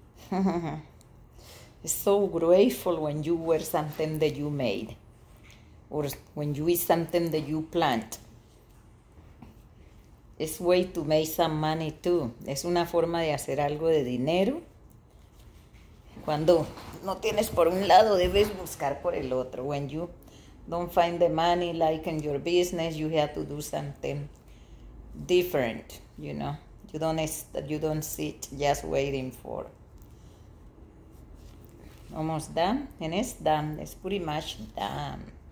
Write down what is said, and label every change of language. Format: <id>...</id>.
<en>It's so grateful when you wear something that you made or when you eat something that you plant. It's way to make some money too.</en> <es>Es una forma de hacer algo de dinero. Cuando no tienes por un lado, debes buscar por el otro.</es> <en>When you don't find the money like in your business, you have to do something different, you know. You don't sit just waiting for. Almost done, and it's done, it's pretty much done.</en>